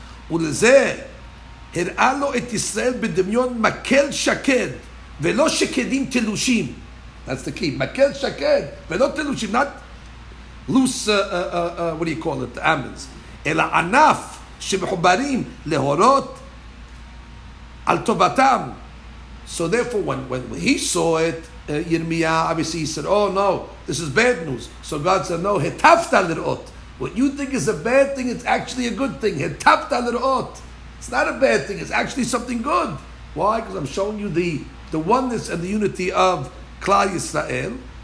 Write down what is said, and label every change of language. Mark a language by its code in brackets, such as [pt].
[he] ולזה הראה לו את ישראל בדמיון מקל שקד ולא שקדים תלושים. [en] That's the key. [he] מקל שקד ולא תלושים. [en] Not loose, what do you call it? Almonds. [he] אלא ענף שמחוברים להורות על טובתם. [en] So therefore, when he saw it, Yirmiyah, obviously he said, oh no, this is bad news. So God said, no, [he] הטפת לראות. [en] What you think is a bad thing, it's actually a good thing. It's not a bad thing, it's actually something good. Why? Because I'm showing you the oneness and the unity of Klal Yisrael.